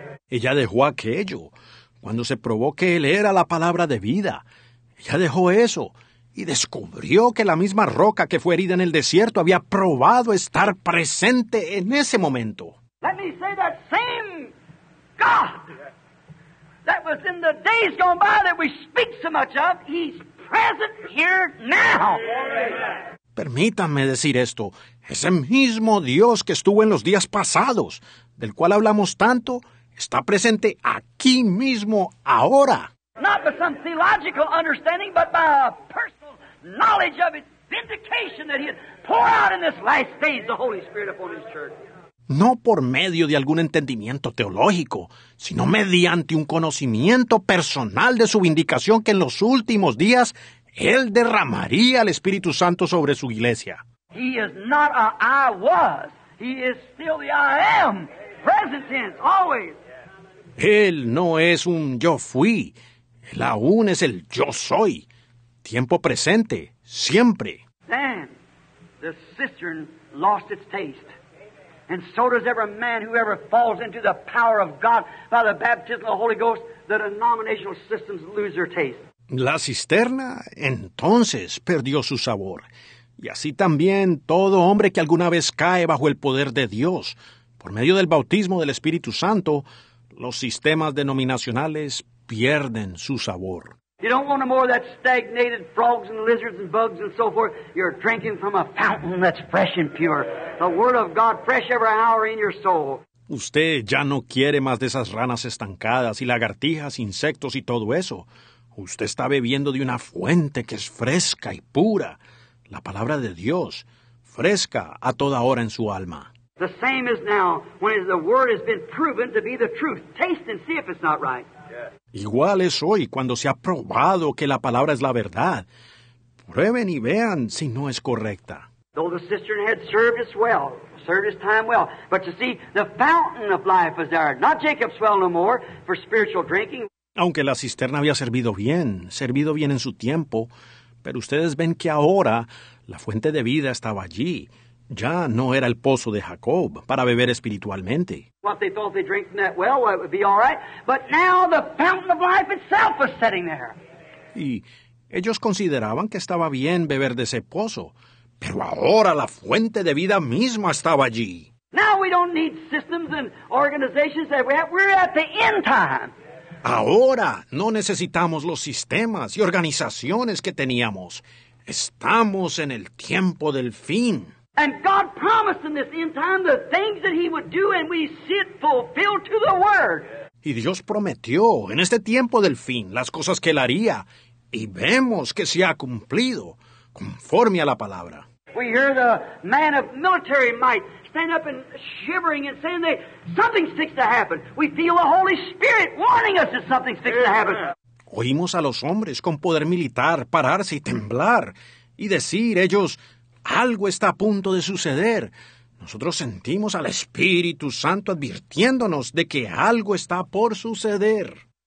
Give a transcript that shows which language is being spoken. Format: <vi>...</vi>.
<es>Ella dejó aquello. Cuando se probó que él era la palabra de vida, ella dejó eso y descubrió que la misma roca que fue herida en el desierto había probado estar presente en ese momento.</es> <en>Let me say that same God that was in the days gone by that we speak so much of, he's present here now.</en> <es>Permítanme decir esto. Ese mismo Dios que estuvo en los días pasados, del cual hablamos tanto, está presente aquí mismo, ahora.</es> <en>Not by some theological understanding, but by a personal knowledge of his vindication that he had poured out in this last days the Holy Spirit upon his church.</en> <es>No por medio de algún entendimiento teológico, sino mediante un conocimiento personal de su vindicación que en los últimos días él derramaría el Espíritu Santo sobre su iglesia.</es> <en>He is not a I was. He is still the I am. Present tense, always.</en> <es>Él no es un yo fui. Él aún es el yo soy. Tiempo presente, siempre.</es> <en>Then, the cistern lost its taste. And so does every man who ever falls into the power of God by the baptism of the Holy Ghost, the denominational systems lose their taste.</en> <es>La cisterna, entonces, perdió su sabor. Y así también todo hombre que alguna vez cae bajo el poder de Dios, por medio del bautismo del Espíritu Santo, los sistemas denominacionales pierden su sabor.</es> <en>You don't want no more of that stagnated frogs and lizards and bugs and so forth. You're drinking from a fountain that's fresh and pure. The Word of God fresh every hour in your soul.</en> <es>Usted ya no quiere más de esas ranas estancadas y lagartijas, insectos y todo eso. Usted está bebiendo de una fuente que es fresca y pura. La palabra de Dios, fresca a toda hora en su alma.</es> <en>The same is now when the Word has been proven to be the truth. Taste and see if it's not right.</en> <es>Igual es hoy cuando se ha probado que la palabra es la verdad. Prueben y vean si no es correcta.</es> <en>Though the cistern had served us well, served his time well. But you see, the fountain of life was there, not Jacob's well no more, for spiritual drinking.</en> <es>Aunque la cisterna había servido bien en su tiempo, pero ustedes ven que ahora la fuente de vida estaba allí. Ya no era el pozo de Jacob para beber espiritualmente.</es> <en>What they thought they drank from that well, well, it would be all right. But now the fountain of life itself was sitting there.</en> <es>Y ellos consideraban que estaba bien beber de ese pozo, pero ahora la fuente de vida misma estaba allí.</es> <en>Now we don't need systems and organizations that we have. We're at the end time.</en> <es>Ahora no necesitamos los sistemas y organizaciones que teníamos. Estamos en el tiempo del fin.</es> <en>And God promised in this end time the things that he would do, and we see it fulfilled to the word.</en> <es>Y Dios prometió en este tiempo del fin las cosas que él haría, y vemos que se ha cumplido conforme a la palabra.</es> <en>We hear the man of military might stand up and shivering and saying that something's fixed to happen. We feel the Holy Spirit warning us that something's fixed to happen.</en> <es>Oímos a los hombres con poder militar pararse y temblar y decir ellos, algo está a punto de suceder. Nosotros sentimos al Espíritu Santo advirtiéndonos de que algo está por suceder.</es>